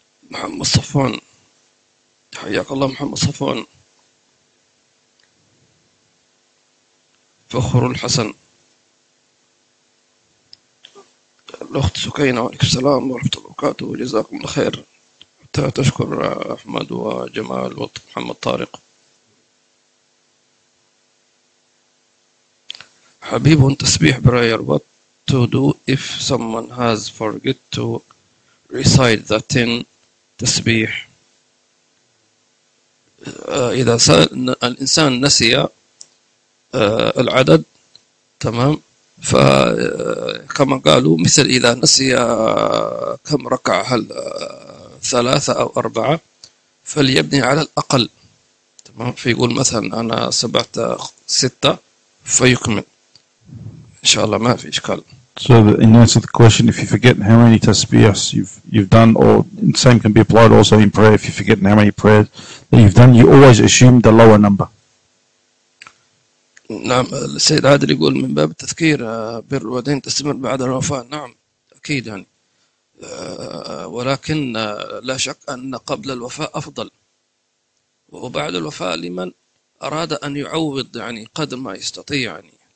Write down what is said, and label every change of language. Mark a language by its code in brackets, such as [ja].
[ar] محمد صفوان حياك الله، محمد صفوان فخر الحسن. الأخت سكينة وعليكم السلام ورحمة الله وبركاته، جزاكم الله خير. تشكر أحمد وجمال ومحمد طارق. [en] حبيب تسبيح prayer, what to do if someone has forget to recite that ten تسبيح. [ar] إذا الإنسان نسي العدد تمام، فكما قالوا مثل إذا نسي كم ركع، هل ثلاثة أو أربعة، فليبني على الأقل تمام، فيقول مثلا أنا سبعت ستة فيكمل إن شاء الله ما في إشكال. [en] So in answer to the question, if you forget how many tasbihs you've done, or the same can be applied also in prayer, if you forget how many prayers that you've done, you always assume the lower number. [ar] نعم السيد عادل يقول من باب التذكير بر الوالدين تستمر بعد الوفاة. نعم أكيد يعني، ولكن لا شك أن قبل الوفاة أفضل، وبعد الوفاة لمن أراد أن يعوض يعني قدر ما يستطيع يعني.